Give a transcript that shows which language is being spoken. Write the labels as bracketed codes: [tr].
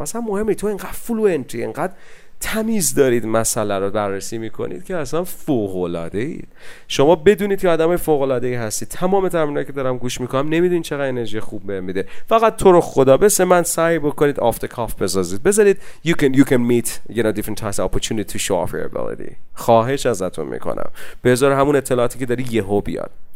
[fa] اصلا مهمه تو اینقدر فلوئنتی، اینقدر تمیز دارید مسئله رو بررسی میکنید که اصلا فوق‌العاده اید. شما بدونید که آدم فوق‌العاده ای هستی. تمام ترمینایی که دارم گوش میکنم نمیدونید چقدر انرژی خوب بهم میده. فقط تو رو خدا بس من سعی بکنید آف ده کاف بسازید. بذارید [en] you can meet different types of opportunity to show off your ability. [fa] خواهش ازتون میکنم. بذار همون اطلاعاتی که داری یهو بیاد.